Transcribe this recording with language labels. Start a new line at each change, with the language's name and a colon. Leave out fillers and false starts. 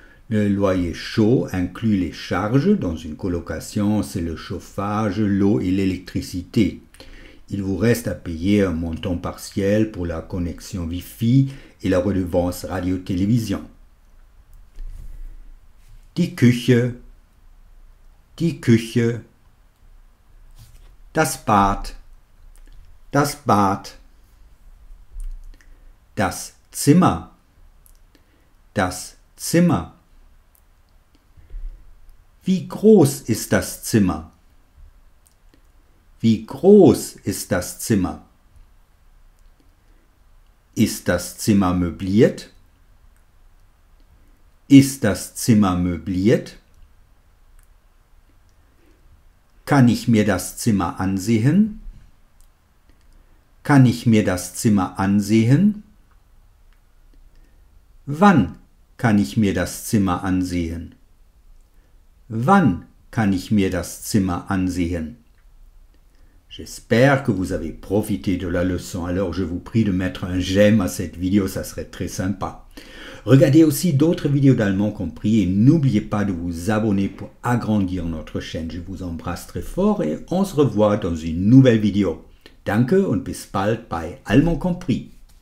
French: Le loyer chaud inclut les charges. Dans une colocation, c'est le chauffage, l'eau et l'électricité. Il vous reste à payer un montant partiel pour la connexion Wi-Fi et la redevance radio-télévision.
German: Die Küche. Die Küche, das Bad, das Bad, das Zimmer, das Zimmer. Wie groß ist das Zimmer? Wie groß ist das Zimmer? Ist das Zimmer möbliert? Ist das Zimmer möbliert? Kann ich mir das Zimmer ansehen? Kann ich mir das Zimmer ansehen? Wann kann ich mir das Zimmer ansehen? Wann kann ich mir das Zimmer ansehen?
French: J'espère que vous avez profité de la leçon. Alors je vous prie de mettre un j'aime à cette vidéo, ça serait très sympa. Regardez aussi d'autres vidéos d'Allemand Compris et n'oubliez pas de vous abonner pour agrandir notre chaîne. Je vous embrasse très fort et on se revoit dans une nouvelle vidéo.
German: Danke und bis bald bei Allemand Compris.